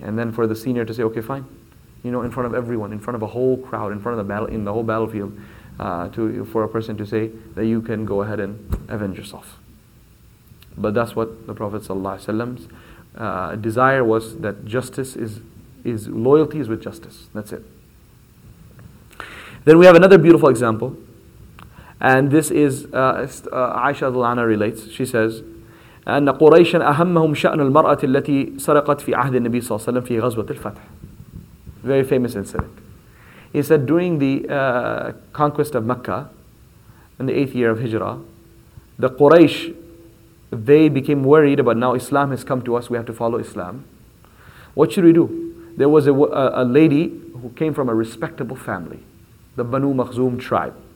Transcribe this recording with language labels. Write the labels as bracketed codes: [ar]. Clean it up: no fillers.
[en] And then for the senior to say, okay, fine. In front of everyone, in front of a whole crowd, in front of the battle, in the whole battlefield, for a person to say that you can go ahead and avenge yourself. But that's what the Prophet ﷺ's desire was, that justice is loyalty is with justice. That's it. Then we have another beautiful example, and this is Aisha al-Anna relates. She says, [ar] "أن قريش أهمهم شأن المرأة التي سرقت في عهد النبي صلى الله عليه وسلم في غزوة الفتح." [en] Very famous incident. He said during the conquest of Mecca in the 8th year of Hijrah, the Quraysh, they became worried about, now Islam has come to us, we have to follow Islam. What should we do? There was a lady who came from a respectable family, the Banu Makhzum tribe.